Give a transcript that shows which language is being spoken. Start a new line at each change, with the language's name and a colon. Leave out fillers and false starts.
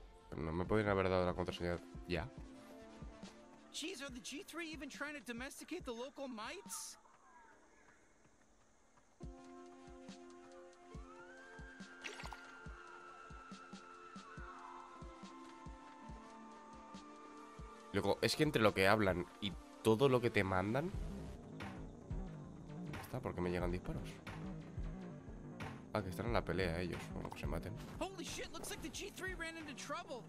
Spanish: Pero no me podrían haber dado la contraseña ya.
English: Jeez, are the G3 even trying to domesticate the local mites?
Spanish: Luego, es que entre lo que hablan y todo lo que te mandan, ¿qué está? ¿Por qué me llegan disparos? Ah, que están en la pelea ellos, bueno, que se maten.
English: Holy shit, looks like the G3 ran into trouble.